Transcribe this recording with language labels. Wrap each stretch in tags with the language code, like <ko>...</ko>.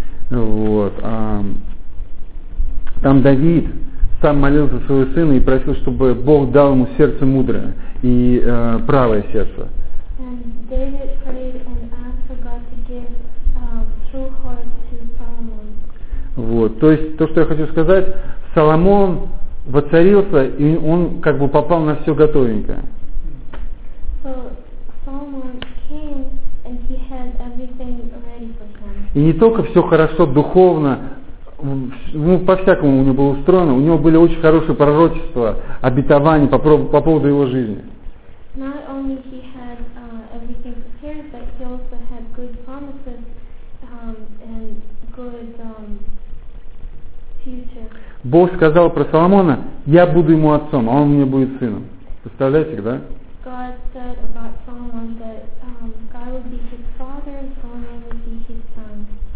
<ru>Вот. Там Давид сам молился за своего сына и просил, чтобы Бог дал ему сердце мудрое и правое сердце.</ru> <en>And David prayed and asked for God to give true heart to Solomon.</en> <ru>Вот. То есть то, что я хочу сказать, Соломон воцарился и он как бы попал на все готовенькое.</ru> <en>So Solomon came and he had everything ready for him.</en> <ru>И не только все хорошо духовно, ну, по-всякому у него было устроено, у него были очень хорошие пророчества, обетования по поводу его жизни.</ru> <en>Not only he had everything prepared, but he also had good promises and good future.</en> <ru>Бог сказал про Соломона, я буду ему отцом, а он мне будет сыном. Представляете, да?</ru> <en>God said about Solomon that God would be his father and Solomon would be his son.</en>